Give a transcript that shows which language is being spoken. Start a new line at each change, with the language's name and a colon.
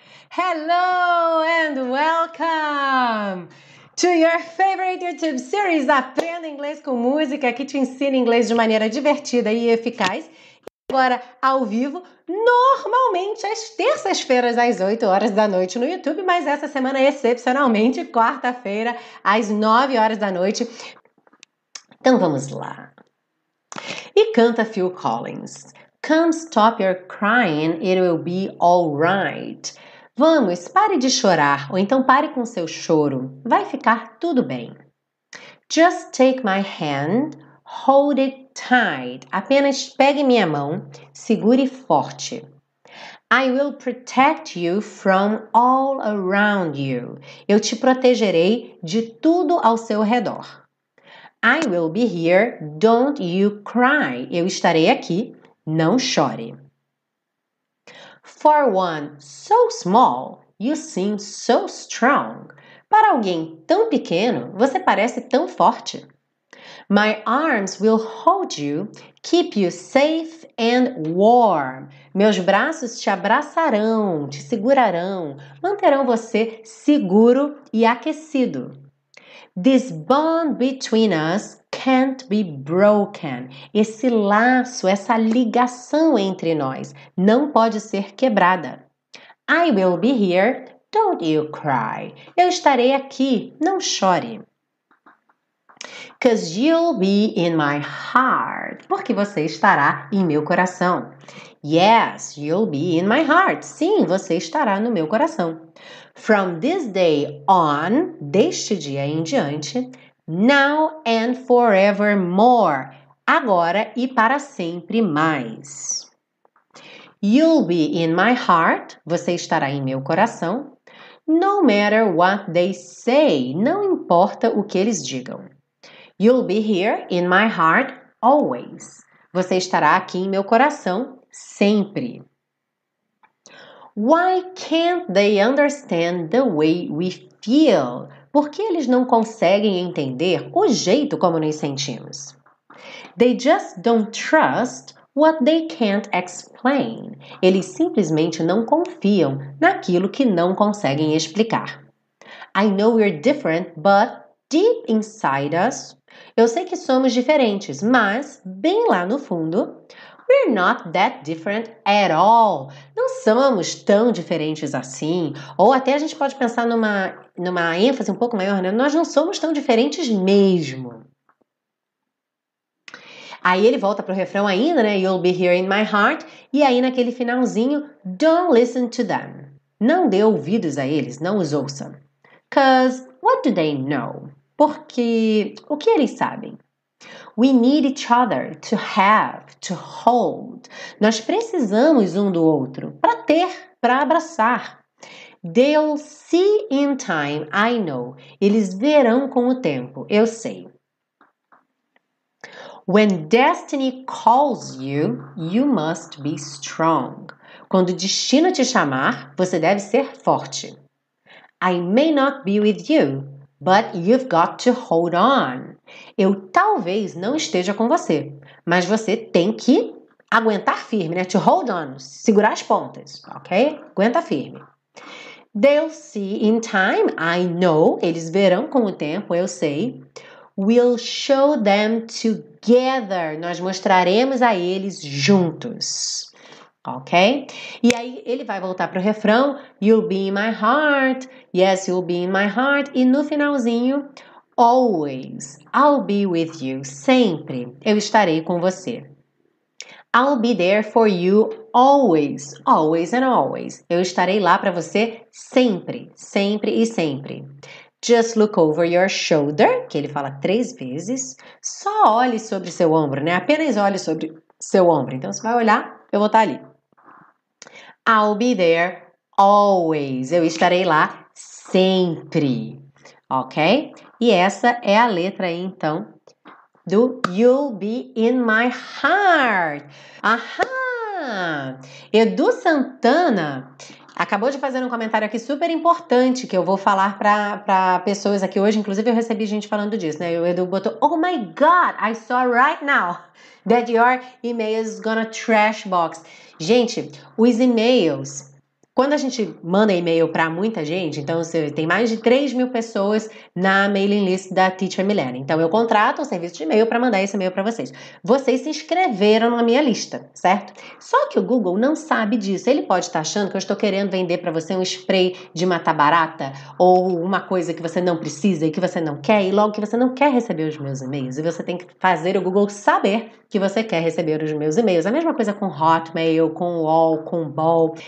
English: Hello and welcome to your favorite YouTube series
Portuguese: Aprenda Inglês com Música, que te ensina inglês de maneira divertida e eficaz. Agora, ao vivo, normalmente às terças-feiras, às 8 horas da noite no YouTube, mas essa semana, excepcionalmente, quarta-feira, às 9 horas da noite. Então, vamos lá. E canta Phil Collins.
English: Come stop your crying, it will be alright.
Portuguese: Vamos, pare de chorar, ou então pare com seu choro. Vai ficar tudo bem.
English: Just take my hand, hold it tight.
Portuguese: Apenas pegue minha mão, segure forte.
English: I will protect you from all around you.
Portuguese: Eu te protegerei de tudo ao seu redor.
English: I will be here, don't you cry.
Portuguese: Eu estarei aqui, não chore.
English: For one so small, you seem so strong.
Portuguese: Para alguém tão pequeno, você parece tão forte.
English: My arms will hold you, keep you safe and warm.
Portuguese: Meus braços te abraçarão, te segurarão, manterão você seguro e aquecido.
English: This bond between us can't be broken.
Portuguese: Esse laço, essa ligação entre nós, não pode ser quebrada.
English: I will be here, don't you cry.
Portuguese: Eu estarei aqui, não chore.
English: 'Cause you'll be in my heart.
Portuguese: Porque você estará em meu coração.
English: Yes, you'll be in my heart.
Portuguese: Sim, você estará no meu coração.
English: From this day on,
Portuguese: deste dia em diante,
English: now and forevermore,
Portuguese: agora e para sempre mais.
English: You'll be in my heart,
Portuguese: você estará em meu coração,
English: no matter what they say,
Portuguese: não importa o que eles digam.
English: You'll be here in my heart always,
Portuguese: você estará aqui em meu coração sempre.
English: Why can't they understand the way we feel?
Portuguese: Por que eles não conseguem entender o jeito como nos sentimos?
English: They just don't trust what they can't explain.
Portuguese: Eles simplesmente não confiam naquilo que não conseguem explicar.
English: I know we're different, but deep inside us,
Portuguese: eu sei que somos diferentes, mas bem lá no fundo,
English: we're not that different at all.
Portuguese: Não somos tão diferentes assim. Ou até a gente pode pensar numa ênfase um pouco maior, né? Nós não somos tão diferentes mesmo. Aí ele volta pro refrão ainda, né?
English: You'll be here in my heart.
Portuguese: E aí naquele finalzinho,
English: don't listen to them.
Portuguese: Não dê ouvidos a eles, não os ouça.
English: 'Cause what do they know?
Portuguese: Porque o que eles sabem?
English: We need each other to have, to hold.
Portuguese: Nós precisamos um do outro para ter, para abraçar.
English: They'll see in time, I know.
Portuguese: Eles verão com o tempo, eu sei.
English: When destiny calls you, you must be strong.
Portuguese: Quando o destino te chamar, você deve ser forte.
English: I may not be with you, but you've got to hold on.
Portuguese: Eu talvez não esteja com você, mas você tem que aguentar firme, né?
English: To hold on,
Portuguese: segurar as pontas, ok? Aguenta firme.
English: They'll see in time, I know.
Portuguese: Eles verão com o tempo, eu sei.
English: We'll show them together.
Portuguese: Nós mostraremos a eles juntos, ok? E aí ele vai voltar pro refrão.
English: You'll be in my heart. Yes, you'll be in my heart.
Portuguese: E no finalzinho,
English: always, I'll be with you,
Portuguese: sempre, eu estarei com você.
English: I'll be there for you always, always and always.
Portuguese: Eu estarei lá para você sempre, sempre e sempre.
English: Just look over your shoulder,
Portuguese: que ele fala três vezes. Só olhe sobre seu ombro, né? Apenas olhe sobre seu ombro. Então, você vai olhar, eu vou estar ali.
English: I'll be there always,
Portuguese: eu estarei lá sempre, ok? E essa é a letra aí, então, do You'll Be In My Heart. Aham! Edu Santana acabou de fazer um comentário aqui super importante que eu vou falar para pessoas aqui hoje. Inclusive, eu recebi gente falando disso, né? O Edu botou,
English: oh my God, I saw right now that your email is gonna trash box.
Portuguese: Gente, os e-mails, quando a gente manda e-mail para muita gente, então você tem mais de 3 mil pessoas na mailing list da Teacher Milena. Então, eu contrato um serviço de e-mail para mandar esse e-mail para vocês. Vocês se inscreveram na minha lista, certo? Só que o Google não sabe disso. Ele pode estar achando que eu estou querendo vender para você um spray de matar barata ou uma coisa que você não precisa e que você não quer, e logo que você não quer receber os meus e-mails. E você tem que fazer o Google saber que você quer receber os meus e-mails. A mesma coisa com Hotmail, com UOL, com Bol.